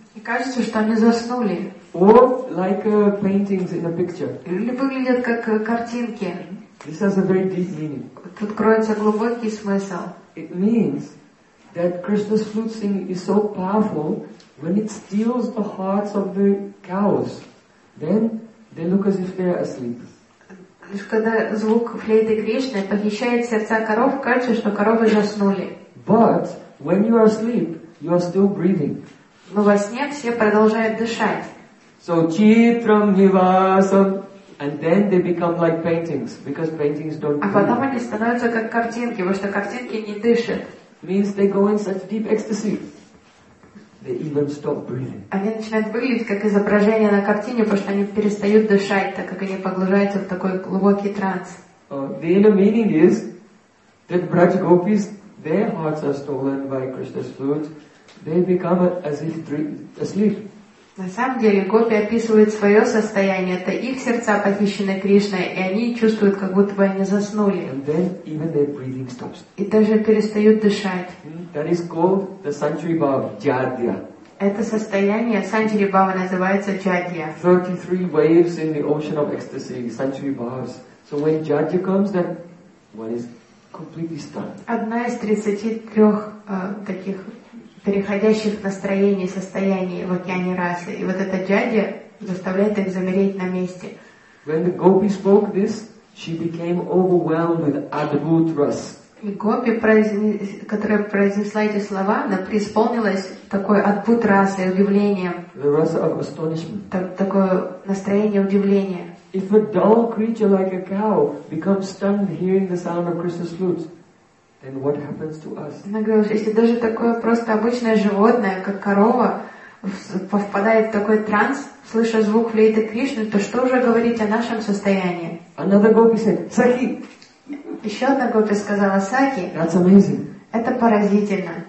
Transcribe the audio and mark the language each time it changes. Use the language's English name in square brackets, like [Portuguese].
[Russian] И кажется, что они заснули. [English] Or like paintings in a picture. [Russian] Или выглядят как картинки. [English] This has a very deep meaning. [Russian] Тут кроется глубокий смысл. [English] It means that Krishna's flute singing is so powerful when it steals the hearts of the cows, then they look as if they are asleep. [Russian] Когда звук флейты Кришны похищает сердца коров, кажется, что коровы заснули. [English] But when you are asleep, you are still breathing. [Russian] Но во сне все продолжают дышать. [Sanskrit] So Chitram Nivasam. [English] And then they become like paintings, because paintings don't breathe. [Russian] А потом они становятся как картинки, потому что картинки не дышат. [English] Means they go in such deep ecstasy. They even stop breathing. [Russian] Они начинают выглядеть как изображение на картине, потому что они перестают дышать, так как они погружаются в такой глубокий транс. [English] The inner meaning is that Braj Gopis, their hearts are stolen by Krishna's flute. They become as if asleep. [Russian] На самом деле, гопи описывают свое состояние. Это их сердца похищены Кришной, и они чувствуют, как будто бы они заснули. [English] And then even their breathing stops. [Russian] И даже перестают дышать. [English] That is called the Sanchari Bhava, Jadhya. [Russian] Это состояние Sanchari Bhava называется Jadhya. [English] 33 waves in the ocean of ecstasy, Sanchari Bhavas. So when Jadhya comes, then one is completely stunned. [Russian] Одна из 33 таких переходящих настроений, состояний в океане расы. И вот эта джадья заставляет их замереть на месте. [English] When the gopi spoke this, she became overwhelmed with adbhut rasa. [Russian] Гопи, которая произнесла эти слова, она преисполнилась такой отпут расы, удивлением. [English] The rasa of astonishment. [Russian] Такое настроение удивления. [English] If a dull creature like a cow becomes stunned hearing the sound of Krishna's flutes, then what happens to us? [Russian] Она говорит, если даже такое просто обычное животное, как корова, попадает в такой транс, слыша звук флейты Кришны, то что уже говорить о нашем состоянии? [English] Another gopi said, Sahi. [Russian] Еще одна гопи сказала, Саки, [English] that's amazing. [Russian] Это поразительно.